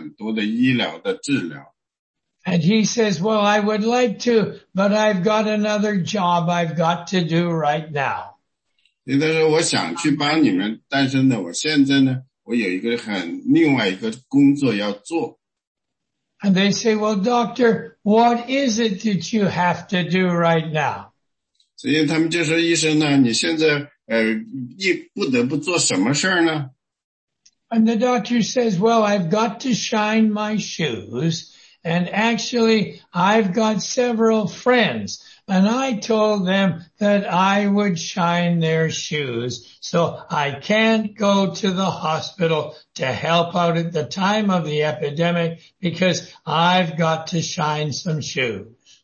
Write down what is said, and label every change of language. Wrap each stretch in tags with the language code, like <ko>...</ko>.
<zh>实际上呢,那些人呢,就都跑到那个医院里跟那个医生说,医生,你可不可以从医院里出来帮助我们,因为我们有需要很多的医疗的治疗。</zh> <en>And he says, well, I would like to, but I've got another job I've got to do right now.</en> <zh>但是我想去帮你们,但是呢,我现在呢,我有一个很,另外一个工作要做。</zh> <en>And they say, well, doctor, what is it that you have to do right now?</en> <zh>所以他们就说,医生呢,你现在,你不得不做什么事呢?</zh> <en>And the doctor says, well, I've got to shine my shoes. And actually, I've got several friends, and I told them that I would shine their shoes, so I can't go to the hospital to help out at the time of the epidemic, because I've got to shine some shoes.</en>